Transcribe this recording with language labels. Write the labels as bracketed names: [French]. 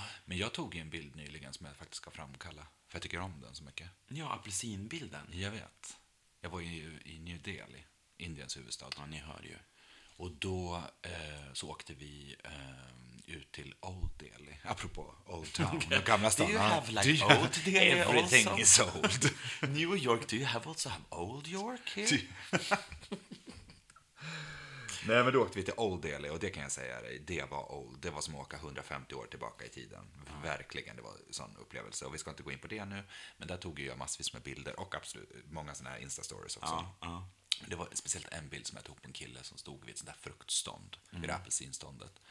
[Swedish] Men jag tog en bild nyligen som jag faktiskt ska framkalla, för jag tycker om den så mycket. Ja, apelsinbilden. Jag vet. Jag var ju i New Delhi, Indiens huvudstad. Ja, ni hör ju. Och då så åkte vi ut till Old Delhi. Apropå Old Town, okay. Den gamla stan. [English] Do you have like Old Delhi? Everything also? Is old. New York, do you have also have Old York here? [Swedish] Nej, men då åkte vi till Old Delhi och det kan jag säga dig, det var old. Det var som att åka 150 år tillbaka i tiden. Mm. Verkligen, det var en sån upplevelse. Och vi ska inte gå in på det nu, men där tog jag massvis med bilder och absolut många såna här Insta-stories också. Ja, ja. Det var speciellt en bild som jag tog på en kille som stod vid ett sånt där fruktstånd, vid det apelsinståndet.